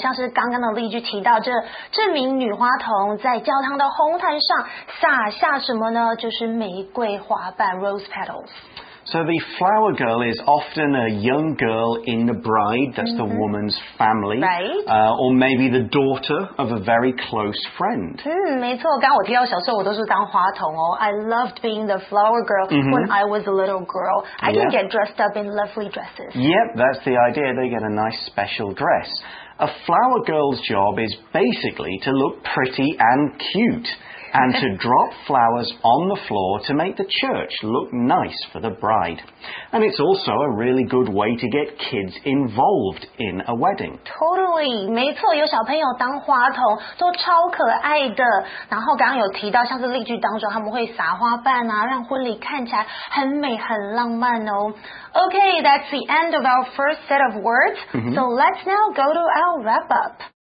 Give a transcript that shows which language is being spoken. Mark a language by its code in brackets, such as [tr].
[zh] 像是刚刚的例句提到，这这名女花童在教堂的红毯上撒下什么呢？就是玫瑰花瓣 rose petals. [en] So the flower girl is often a young girl in the bride. That's the woman's family. Right.、 Or maybe the daughter of a very close friend. [zh] 没错。刚我提到小时候我都是当花童哦。 [en] I loved being the flower girl、mm-hmm. when I was a little girl. I can get dressed up in lovely dresses. Yep, that's the idea. They get a nice special dress. A flower girl's job is basically to look pretty and cute. And to drop flowers on the floor to make the church look nice for the bride. And it's also a really good way to get kids involved in a wedding. [zh] Totally, 没错，有小朋友当花童都超可爱的。然后刚刚有提到，像是例句当中，他们会撒花瓣啊，让婚礼看起来很美很浪漫哦。 [en] Okay, that's the end of our first set of words. So let's now go to our wrap up.